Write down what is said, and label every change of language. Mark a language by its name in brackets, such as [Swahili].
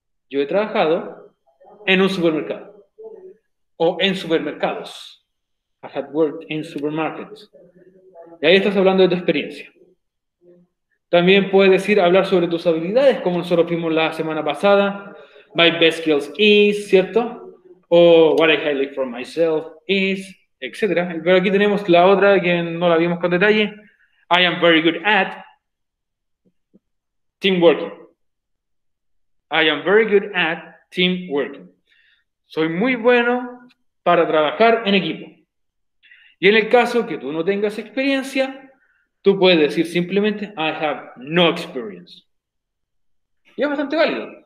[Spanish] Yo he trabajado en un supermercado. O en supermercados. [English] I had worked in supermarkets. [Spanish] Y ahí estás hablando de tu experiencia. También puedes decir, hablar sobre tus habilidades, como nosotros vimos la semana pasada. [English] My best skills is, ¿cierto? O what I highlight for myself is, etc. [Spanish] Pero aquí tenemos la otra, que no la vimos con detalle. [English] I am very good at team working. I am very good at team working. [Spanish] Soy muy bueno para trabajar en equipo. Y en el caso que tú no tengas experiencia, tú puedes decir simplemente, [English] I have no experience. [Spanish] Y es bastante válido.